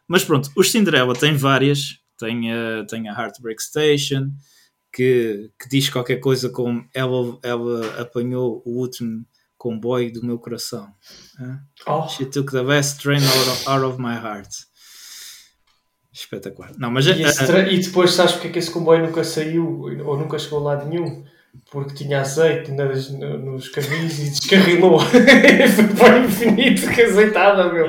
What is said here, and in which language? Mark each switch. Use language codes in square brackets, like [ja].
[pt] Mas pronto, o Cinderella tem várias, tem a Heartbreak Station. Que diz qualquer coisa como ela apanhou o último comboio do meu coração. Oh. [en] She took the best train out of my heart. [pt] Espetacular. Não, mas e depois sabes porque é que esse comboio nunca saiu ou nunca chegou a lado nenhum? Porque tinha azeite nos caminhos e descarrilou. Foi infinito, que azeitada, meu.